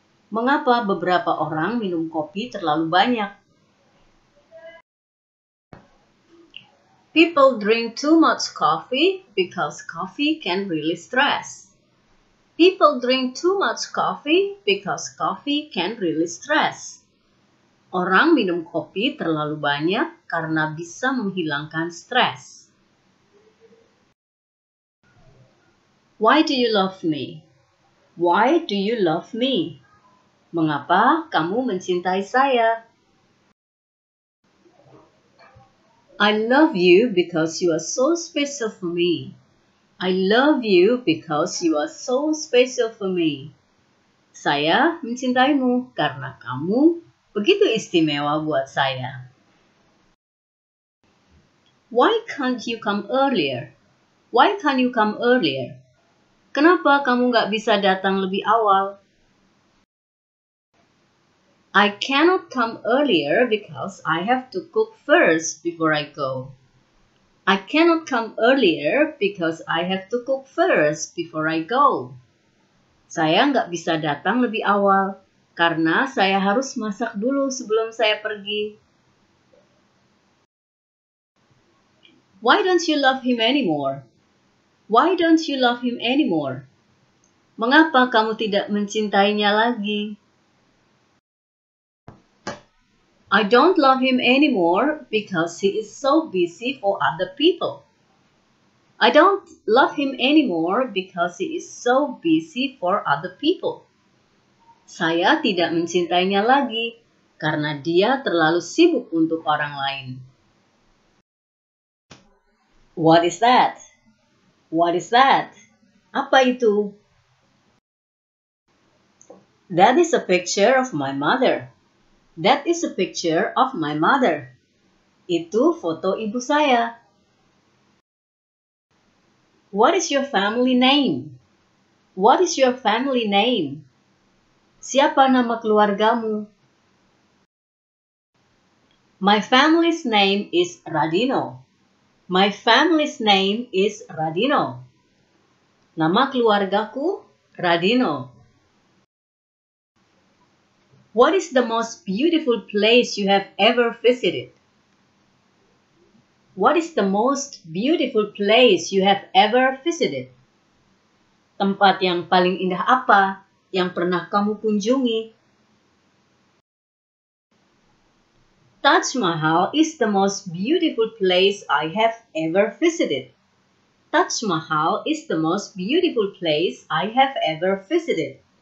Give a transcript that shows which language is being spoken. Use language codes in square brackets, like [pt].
[id] Mengapa beberapa orang minum kopi terlalu banyak? [en] People drink too much coffee because coffee can really stress. People drink too much coffee because coffee can really stress. [id] Orang minum kopi terlalu banyak karena bisa menghilangkan stres. [en] Why do you love me? Why do you love me? [id] Mengapa kamu mencintai saya? [en] I love you because you are so special for me. I love you because you are so special for me. [id] Saya mencintaimu karena kamu begitu istimewa buat saya. [en] Why can't you come earlier? Why can't you come earlier? [id] Kenapa kamu gak bisa datang lebih awal? [en] I cannot come earlier because I have to cook first before I go. I cannot come earlier because I have to cook first before I go. [id] Saya nggak bisa datang lebih awal karena saya harus masak dulu sebelum saya pergi. [en] Why don't you love him anymore? Why don't you love him anymore? [id] Mengapa kamu tidak mencintainya lagi? [en] I don't love him anymore because he is so busy for other people. I don't love him anymore because he is so busy for other people. [id] Saya tidak mencintainya lagi karena dia terlalu sibuk untuk orang lain. [en] What is that? What is that? [id] Apa itu? [en] That is a picture of my mother. That is a picture of my mother. [id] Itu foto ibu saya. [en] What is your family name? What is your family name? [id] Siapa nama keluargamu? [en] My family's name is Radino. My family's name is Radino. [id] Nama keluargaku Radino. [en] What is the most beautiful place you have ever visited? What is the most beautiful place you have ever visited? [id] Tempat yang paling indah apa yang pernah kamu kunjungi? [en] Taj Mahal is the most beautiful place I have ever visited. Taj Mahal is the most beautiful place I have ever visited.